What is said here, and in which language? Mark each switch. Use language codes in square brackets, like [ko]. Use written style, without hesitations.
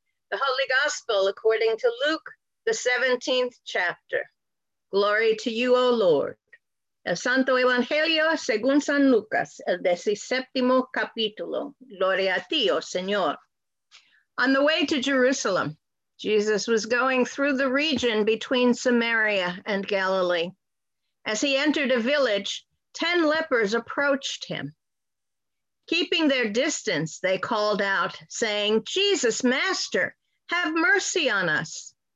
[en] The Holy Gospel according to Luke, the 17th chapter. Glory to you, O Lord. [es] El Santo Evangelio según San Lucas, el 17th capítulo. Gloria a ti, O Señor. [en] On the way to Jerusalem, Jesus was going through the region between Samaria and Galilee. As he entered a village, 10 lepers approached him. Keeping their distance, they called out, saying, "Jesus, Master, have mercy on us."